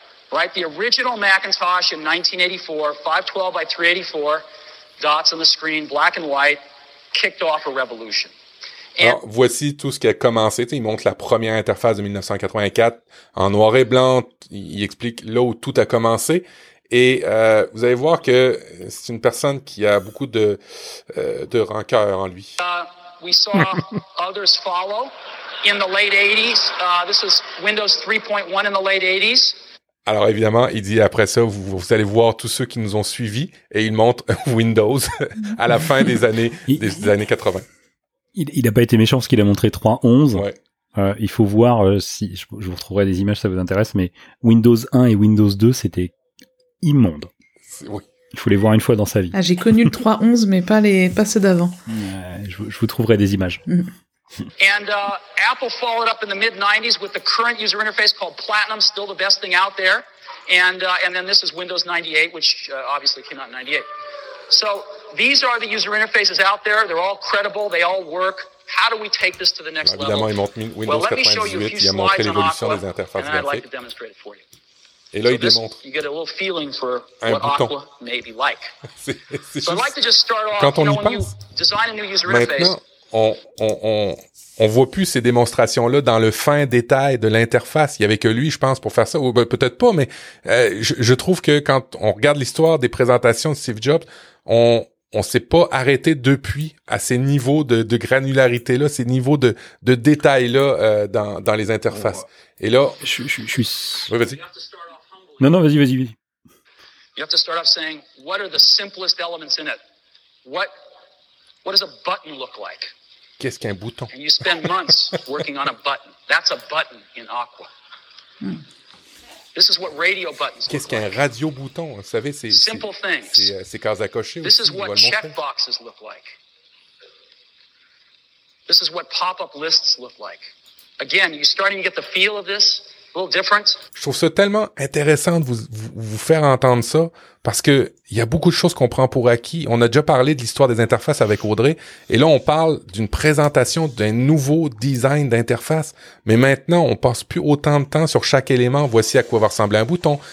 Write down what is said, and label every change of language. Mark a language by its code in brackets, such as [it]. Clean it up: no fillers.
[en] Right, the original Macintosh in 1984, 512 by 384, dots on the screen, black and white, kicked off a revolution. [fr] Alors, voici tout ce qui a commencé. Il montre la première interface de 1984 en noir et blanc. Il explique là où tout a commencé. Et vous allez voir que c'est une personne qui a beaucoup de rancœur en lui. [en] We saw others follow in the late 80s. This is Windows 3.1 in the late 80s. [fr] Alors évidemment, il dit après ça, vous allez voir tous ceux qui nous ont suivis, et il montre Windows à la fin des années des années 80. Il n'a pas été méchant parce qu'il a montré 3.11. Ouais. Il faut voir si je vous retrouverai des images, ça vous intéresse, mais Windows 1 et Windows 2, c'était immonde. Oui. Il faut les voir une fois dans sa vie. Ah, j'ai connu le 3.11, mais pas ceux d'avant. Je vous trouverai des images. [en] And Apple followed up in the mid 90s with the current user interface called Platinum, still the best thing out there. And then this is Windows 98, which obviously came out in 98. So these are the user interfaces out there. They're all credible. They all work. How do we take this to the next level? [fr] Évidemment, il montre Windows 98. Il a montré l'évolution des interfaces graphiques. [en] And I'd like to demonstrate it for you. [fr] Et là, il démontre. [en] You get a little feeling for what bouton. Aqua may be like. So I'd like to just start off. [fr] Quand on [en] you know, [fr] y pense, [en] new user [fr] maintenant. Interface, on voit plus ces démonstrations-là dans le fin détail de l'interface. Il y avait que lui, je pense, pour faire ça. Ou ben, peut-être pas, mais je trouve que quand on regarde l'histoire des présentations de Steve Jobs, on s'est pas arrêté depuis à ces niveaux de granularité-là, ces niveaux de détails-là dans les interfaces. Et là... Je suis... Oui, vas-y. Non, vas-y. [en] You have to start off saying, what are the simplest elements in it? What does a button look like? Qu'est-ce qu'un bouton? And you spend months working on a button. That's a button in Aqua. This is what radio buttons [fr] Qu'est-ce [en] look like. [fr] Qu'est-ce qu'un radio bouton? Vous savez, c'est... [en] Simple things. [fr] C'est cases à cocher. [en] This is what check boxes look like. This is what pop-up lists look like. Again, you're starting to get the feel of this. A little different. [fr] Je trouve ça tellement intéressant de vous faire entendre ça. Parce que il y a beaucoup de choses qu'on prend pour acquis. On a déjà parlé de l'histoire des interfaces avec Audrey, et là on parle d'une présentation d'un nouveau design d'interface. Mais maintenant, on passe plus autant de temps sur chaque élément. Voici à quoi va ressembler un bouton.